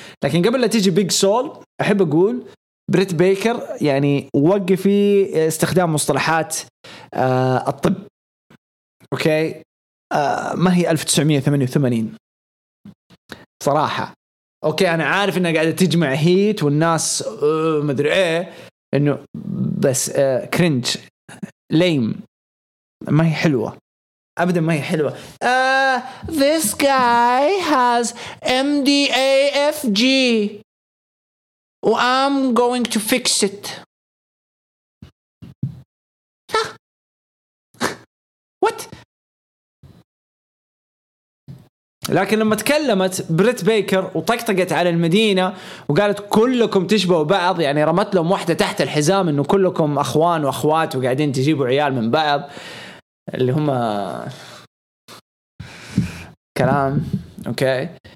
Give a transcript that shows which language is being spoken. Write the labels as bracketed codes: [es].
[ar] لكن قبل لا تيجي بيج سول أحب أقول بريت بيكر يعني وقفي استخدام مصطلحات الطب، أوكي ما هي 1988 صراحة. أوكي أنا عارف إنها قاعدة تجمع هيت والناس مدري إيه إنه بس كرينج ليم، ما هي حلوة أبدا، ما هي حلوة. [en] This guy has MDAFG وI'm going to fix it. [ar] What؟ لكن لما تكلمت بريت بيكر وطقطقت على المدينة وقالت كلكم تشبهوا بعض، يعني رمت لهم واحدة تحت الحزام انه كلكم اخوان واخوات وقاعدين تجيبوا عيال من بعض، اللي هم كلام اوكي.